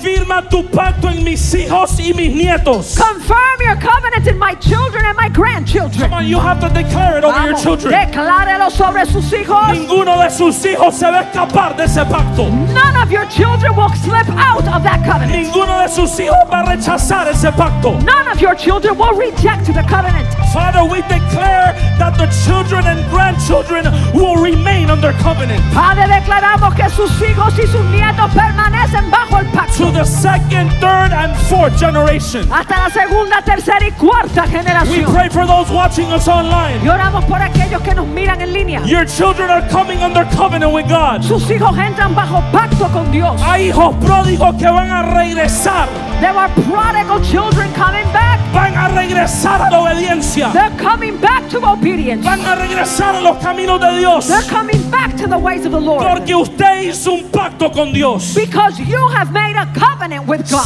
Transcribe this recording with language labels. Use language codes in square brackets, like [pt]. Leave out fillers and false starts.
[es] Confirma tu pacto en mis hijos y mis nietos. [en] Confirm your covenant in my children and my grandchildren. Come on, you have to declare it over your children. [es] Declárelo sobre sus hijos. Ninguno de sus hijos se va a escapar de ese pacto. [en] None of your children will slip out of that covenant. [es] Ninguno de sus hijos va a rechazar ese pacto. [en] None of your children will reject the covenant. Father, we declare that the children and grandchildren will remain under covenant. [es] Padre, declaramos que sus hijos y sus nietos permanecen bajo el pacto. [en] To the second, third, and fourth generation. [es] Hasta la segunda, tercera y cuarta generación. [en] We pray for those watching us online. [es] Y oramos por aquellos que nos miran en línea. [en] Your children are coming under covenant with God. [es] Sus hijos entran bajo pacto con Dios. Hay hijos pródigos que van a regresar. [en] There are prodigal children coming back. [es] Van a regresar a la obediencia. [en] They're coming back to obedience. [es] Van a regresar a los caminos de Dios. [en] They're coming back to the ways of the Lord. [es] Porque usted hizo un pacto con Dios. [en] Because you have made a covenant with God.